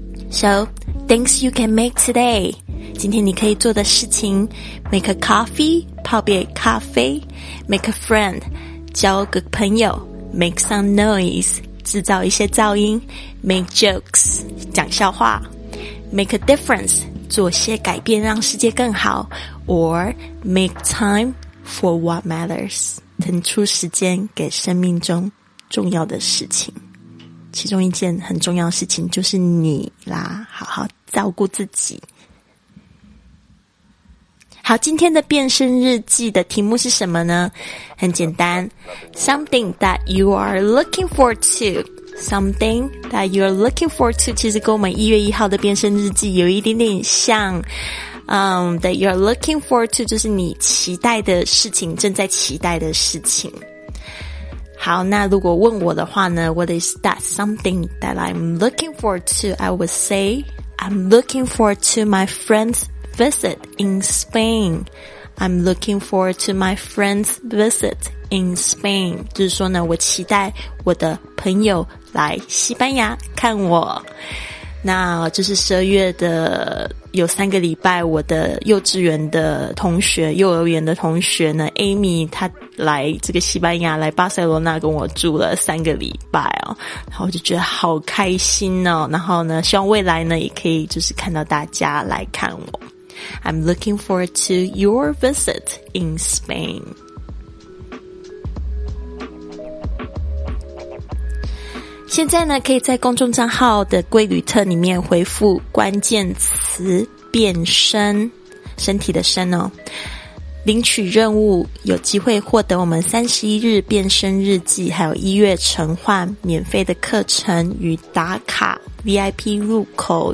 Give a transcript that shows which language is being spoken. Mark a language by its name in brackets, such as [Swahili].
[English] So, things you can make today. [Chinese] 今天你可以做的事情， [English] Make a coffee, [Chinese] 泡杯咖啡， [English] Make a friend, [Chinese] 交个朋友， [English] Make some noise, [Chinese] 制造一些噪音， [English] make jokes, [Chinese] 讲笑话， [English] make a difference, [Chinese] 做些改变让世界更好， [English] or make time for what matters, [Chinese] 腾出时间给生命中重要的事情。其中一件很重要的事情就是你啦，好好照顾自己。好，今天的变身日记的题目是什么呢？很简单， [English] Something that you are looking forward to. Something that you are looking forward to. [Chinese] 其实跟我们1月1号的变身日记有一点点像。 [English] That you are looking forward to [Chinese] 就是你期待的事情，正在期待的事情。好，那如果问我的话呢， [English] What is that something that I'm looking forward to? I would say I'm looking forward to my friend'sVisit in Spain. I'm looking forward to my friend's visit in Spain. [Chinese] 就是说呢，我期待我的朋友来西班牙看我。那就是12月的有三个礼拜，我的幼稚园的同学，幼儿园的同学呢 ，Amy 她来这个西班牙，来巴塞罗那跟我住了三个礼拜哦，然后我就觉得好开心哦。然后呢，希望未来呢也可以就是看到大家来看我。 [English] I'm looking forward to your visit in Spain. [Chinese] 现在呢，可以在公众账号的贵旅特里面回复关键词变身，身体的身哦，领取任务，有机会获得我们31日变身日记，还有1月晨换免费的课程与打卡 VIP 入口。